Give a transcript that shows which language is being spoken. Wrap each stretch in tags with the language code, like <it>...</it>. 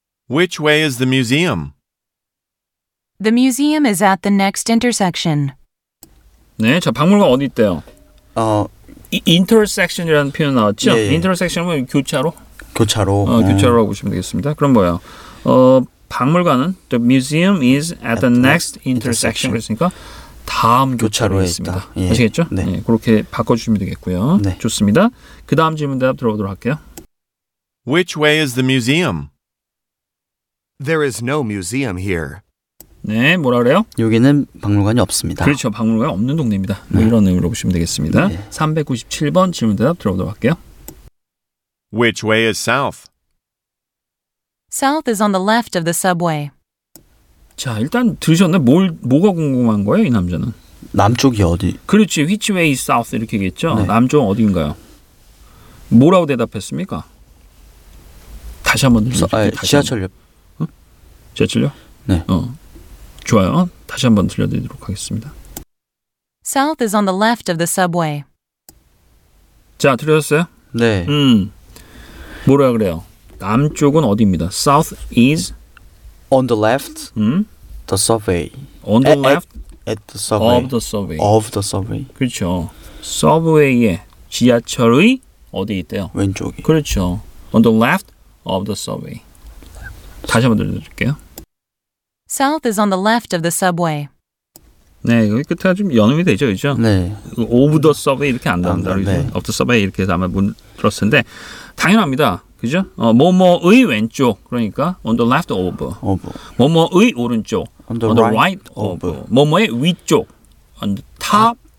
<en>Which way is the museum? The museum is at the next intersection.</en> <ko>네, 자, 박물관 어디 있대요? intersection이라는 표현 나왔죠? 예, 예. intersection은 교차로? 교차로. 교차로라고 보시면 되겠습니다. 그럼 뭐예요? 박물관은</ko> <en>the museum is at the next intersection.</en> <ko>그러니까 다음 교차로에 있습니다. 예. 아시겠죠? 네. 예, 그렇게 바꿔주시면 되겠고요. 네. 좋습니다. 그 다음 질문 대답 들어보도록 할게요.</ko> <en>Which way is the museum? There is no museum here.</en> <ko>네, 뭐라 그래요? 여기는 박물관이 없습니다. 그렇죠. 박물관이 없는 동네입니다. 뭐 이런 의미로 보시면 되겠습니다. 네. 397번 질문 대답 들어보도록 할게요.</ko> <en>Which way is south? South is on the left of the subway.</en> <ko>자, 일단 들으셨나? 뭘 뭐가 궁금한 거예요, 이 남자는? 남쪽이 어디? 그렇지.</ko> <en>Which way is south</en> <ko>이렇게 얘기했죠. 네. 남쪽 어디인가요? 뭐라고 대답했습니까? 다시 한번 들려줄게요. 지하철역. 지하철역? 네. 좋아요. 다시 한번 들려드리도록 하겠습니다.</ko> <en>South is on the left of the subway.</en> <ko>자, 들으셨어요? 네. 뭐라 그래요? 남쪽은 어디입니다?</ko> <en>South is on the left.</en> <ko>응?</ko> <en>The subway. On the left. At the subway. Of the subway. Of the subway.</en> <ko>그렇죠. Subway의 지하철의 어디 있대요? 왼쪽이. 그렇죠.</ko> <en>On the left of the subway.</en> <ko>다시 한번 들려드릴게요.</ko> <en>South is on the left of the subway.</en> <ko>네, 여기 끝에 좀 연음이 되죠, 그렇죠? 네.</ko> <en>Of the subway</en> <ko>이렇게 안 나온다. 네.</ko> <en>Of the subway</en> <ko>이렇게 아마 들었는데 당연합니다. 그죠? 뭐뭐의 왼쪽 그러니까</ko> <en>on the left of</en> <ko>뭐뭐의 오른쪽</ko> <en>on the right of</en> <ko>뭐뭐의 위쪽</ko> <en>on the top</en>